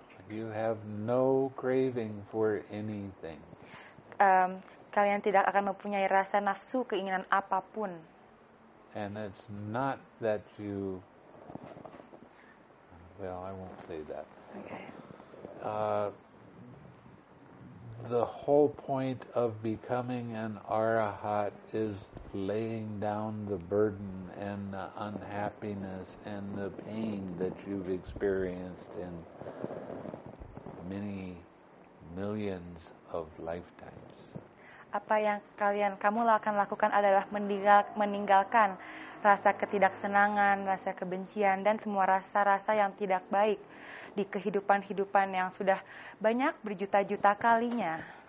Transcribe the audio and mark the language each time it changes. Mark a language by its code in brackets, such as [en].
[en] You have no craving for anything. [id] Kalian tidak akan mempunyai rasa nafsu keinginan apapun. [en] And it's not that you... Well, I won't say that. Okay. The whole point of becoming an arahat is laying down the burden and the unhappiness and the pain that you've experienced in many millions of lifetimes. [id] Apa yang kamu akan lakukan adalah meninggalkan rasa ketidaksenangan, rasa kebencian, dan semua rasa-rasa yang tidak baik di kehidupan-hidupan yang sudah banyak berjuta-juta kalinya.